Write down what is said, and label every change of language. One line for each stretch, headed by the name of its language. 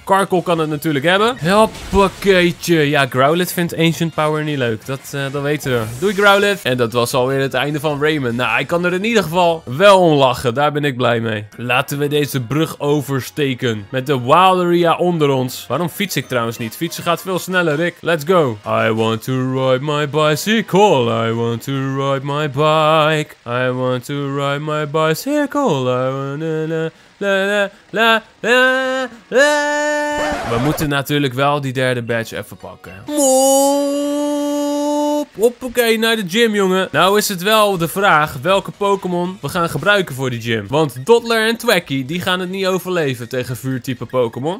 Dutch: Karkol kan het natuurlijk hebben. Hoppakeetje. Ja, Growlithe vindt Ancient Power niet leuk. Dat weten we. Doei, Growlithe. En dat was alweer het einde van Raymond. Nou, hij kan er in ieder geval wel om lachen. Daar ben ik blij mee. Laten we deze brug oversteken. Met de Wilderia onder ons. Waarom fiets ik trouwens? Niet. Fietsen gaat veel sneller, Rick.
English: Let's go. I want to ride my bicycle. I want to ride my bike. I want to ride my bicycle. I want to... La, la, la, la, la.
Dutch: We moeten natuurlijk wel die derde badge even pakken. Mop. Hoppakee, naar de gym, jongen. Nou is het wel de vraag welke Pokémon we gaan gebruiken voor die gym. Want Dottler en Twacky, die gaan het niet overleven tegen vuurtype Pokémon.